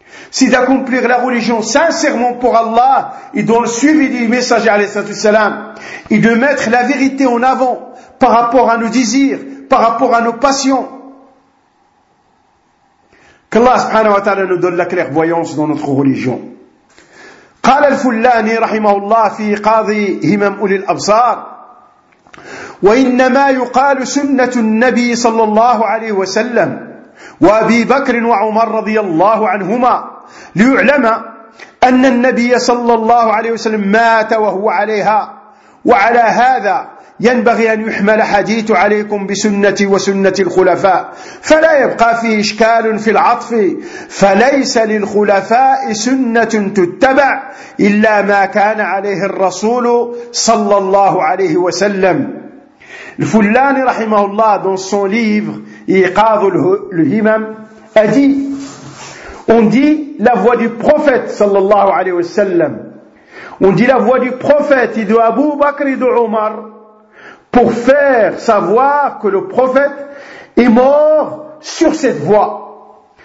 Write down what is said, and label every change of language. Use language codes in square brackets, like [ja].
[fr] C'est d'accomplir la religion sincèrement pour Allah et dans le suivi du messager alayhi salam, et de mettre la vérité en avant par rapport à nos désirs, par rapport à nos passions. Qu'Allah subhanahu wa ta'ala nous donne la clairvoyance dans notre religion. [ar] قال الفلاني رحمه الله في قاضي همم أولي الأبصار وإنما يقال سنة النبي صلى الله عليه وسلم وأبي بكر وعمر رضي الله عنهما ليعلم أن النبي صلى الله عليه وسلم مات وهو عليها وعلى هذا ينبغي أن يحمل حديث عليكم بسنة وسنة الخلفاء فلا يبقى فيه إشكال في العطف فليس للخلفاء سنة تتبع إلا ما كان عليه الرسول صلى الله عليه وسلم. [fr] الفلان رحمه الله dans son livre إيقاظ الهمم a dit, on dit la voix du prophète صلى الله عليه وسلم, on dit la voix du prophète de Abu Bakr et de Omar pour faire savoir que le prophète est mort sur cette voie.